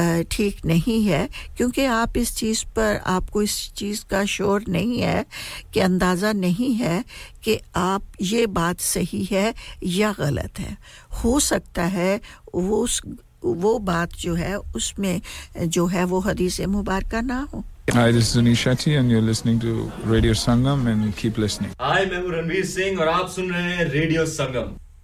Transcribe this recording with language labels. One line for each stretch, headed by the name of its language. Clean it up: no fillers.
Urdu: ٹھیک نہیں ہے کیونکہ آپ اس چیز پر آپ کو اس چیز کا شور نہیں ہے کہ اندازہ نہیں ہے کہ آپ یہ بات صحیح ہے یا غلط ہے ہو سکتا ہے وہ بات جو ہے اس میں جو ہے وہ حدیث مبارکہ نہ ہو
English: Hi, this is Anish Shetty and you're listening to Radio Sangam and keep listening
Urdu: Hi, میں ہوں رنویر سنگھ اور آپ سن رہے ہیں Radio Sangam